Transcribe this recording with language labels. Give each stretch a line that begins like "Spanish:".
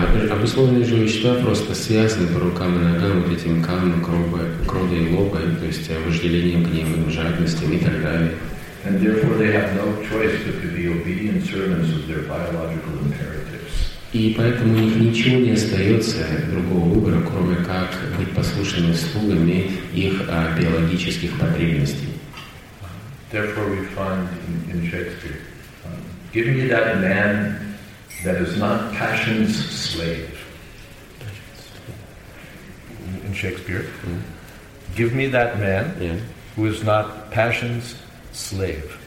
Russian: Обусловленные живые существа просто связаны по рукам и ногам вот этим камнем, кровью и лобой, то есть вожделением, гневом, жадностью и так далее.
English: And therefore they have no choice but to be obedient servants of their biological imperatives.
Russian: И поэтому у них ничего не остается другого выбора, кроме как быть послушными слугами их биологических потребностей.
English: Therefore we find in Shakespeare, give me that man that is not passion's slave. In Shakespeare, give me that man who is not passion's slave.